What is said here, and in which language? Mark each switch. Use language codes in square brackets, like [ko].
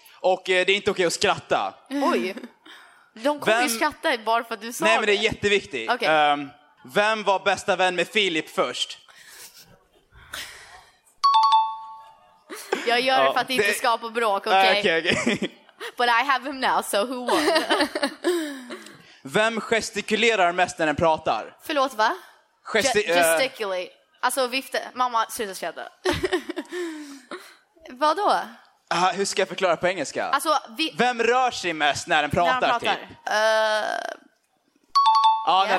[sv] Och det är inte okej att skratta. Oj. De kommer vem... ju skratta bara för att du sa nej, men det är jätteviktigt. [en] Okay. [sv] Vem var bästa vän med Filip först? Jag gör det för att inte skapa bråk, okej? [en] Okay? Okay. But I have him now, so who won? [sv] Vem gestikulerar mest när den pratar? Förlåt, va? [en] Gesticulate. [sv] Alltså, vifte. Mamma, sluta skratta. Vadå? Hur ska jag förklara på engelska? Alltså, vem rör sig mest när den pratar? När han pratar.